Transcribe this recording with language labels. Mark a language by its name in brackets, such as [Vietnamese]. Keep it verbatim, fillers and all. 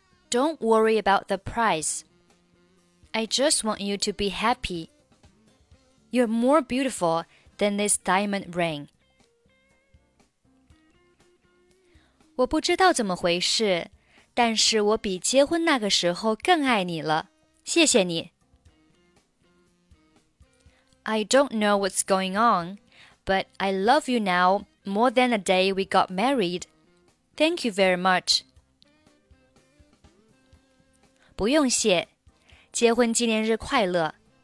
[English] Don't worry about the price. I just want you to be happy. You're more beautiful than this diamond ring. [Chinese] 我不知道怎么回事，但是我比结婚那个时候更爱你了。谢谢你。 [English] I don't know what's going on, but I love you now more than the day we got married. Thank you very much. [Chinese] 不用谢，结婚纪念日快乐。